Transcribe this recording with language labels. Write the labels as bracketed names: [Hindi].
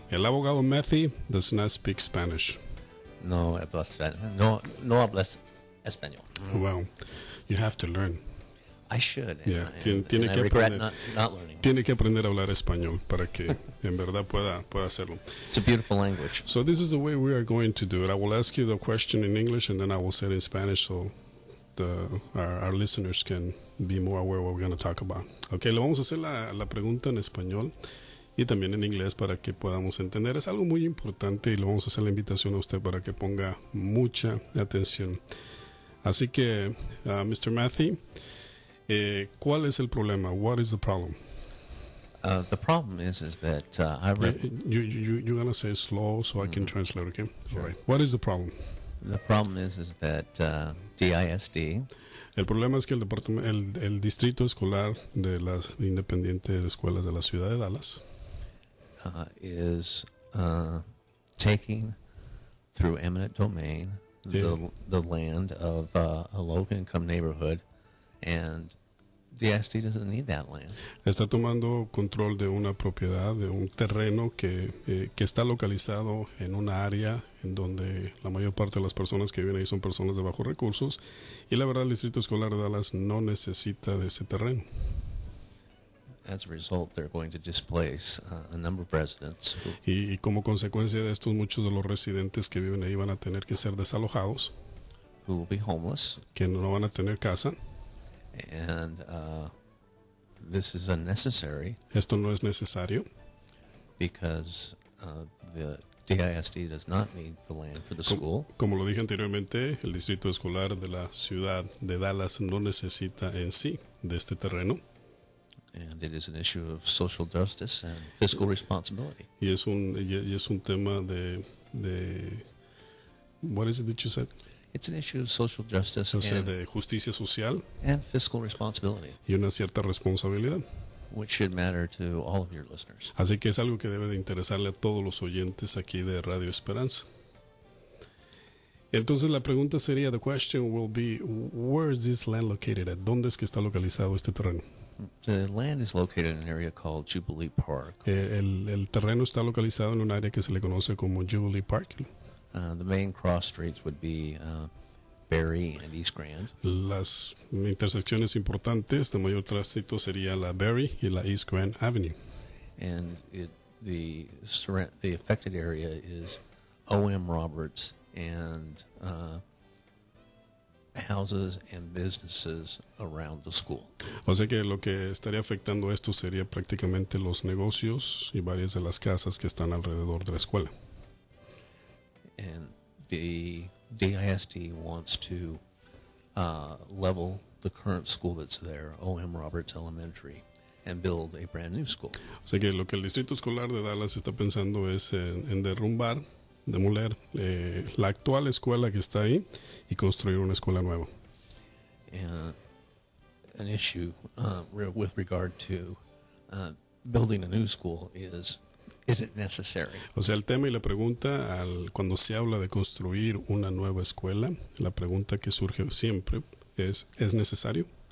[Spanish] El abogado [English] Matthew does not speak Spanish. [Spanish] No habla español. No habla español. [English] Well, you have to learn. I should. [Spanish] Yeah, tiene que aprender. Tiene que aprender a hablar español para que en verdad pueda hacerlo. [English] It's a beautiful language. So this is the way we are going to do it. I will ask you the question in English and then I will say it in Spanish so our listeners can be more aware of what we're going to talk about. [Spanish] Okay, le vamos a hacer la pregunta en español y también en inglés para que podamos entender. Es algo muy importante y le vamos a hacer la invitación a usted para que ponga mucha atención. Así que, Mr. Matthew, ¿cuál es el problema? [English] What is the problem? The problem is that you're going to say slow so I can translate, okay? Sure. All right. What is the problem? The problem is that DISD. [Spanish] El problema es que el distrito escolar de las independientes escuelas de la ciudad de Dallas [English] is taking through eminent domain the land of a low income neighborhood, and DISD doesn't need that land. [Spanish] Está tomando control de una propiedad, de un terreno que está localizado en una área en donde la mayor parte de las personas que viven ahí son personas de bajos recursos, y la verdad el Distrito Escolar de Dallas no necesita de ese terreno. [English] As a result, they're going to displace a number of residents. [Spanish] Y como consecuencia de esto, muchos de los residentes que viven ahí van a tener que ser desalojados, [English] who will be homeless, [Spanish] que no van a tener casa. [English] And this is unnecessary. [Spanish] Esto no es necesario. [English] Because the DISD does not need the land for the school. [Spanish] Como lo dije anteriormente, el distrito escolar de la ciudad de Dallas no necesita en sí de este terreno. [English] And it is an issue of social justice and fiscal responsibility. [Spanish] Y es un tema de [English] what is it that you said? It's an issue of social justice, [Spanish] o sea, de justicia social, [English] and fiscal responsibility, [Spanish] y una cierta responsabilidad, [English] which should matter to all of your listeners. [Spanish] Así que es algo que debe de interesarle a todos los oyentes aquí de Radio Esperanza. Entonces la pregunta sería, [English] the question will be, where is this land located at? [Spanish] ¿Dónde es que está localizado este terreno? [English] The land is located in an area called Jubilee Park. [Spanish] El terreno está localizado en un área que se le conoce como Jubilee Park. [English] The main cross streets would be Berry and East Grand. [Spanish] Las intersecciones importantes de mayor tránsito sería la Berry y la East Grand Avenue. [English] And the affected area is O.M. Roberts and houses and businesses around the school. [Spanish] O sea que lo que estaría afectando esto sería prácticamente los negocios y varias de las casas que están alrededor de la escuela. [English] And the DISD wants to level the current school that's there, O.M. Roberts Elementary, and build a brand new school. [Spanish] O sea que lo que el Distrito Escolar de Dallas está pensando es en derrumbar, demoler la actual escuela que está ahí y construir una escuela nueva. [English] And an issue with regard to building a new school is... Is it necessary? [Spanish] O sea, el tema y la pregunta, cuando se habla de construir una nueva escuela, la pregunta que surge siempre ¿es necesario?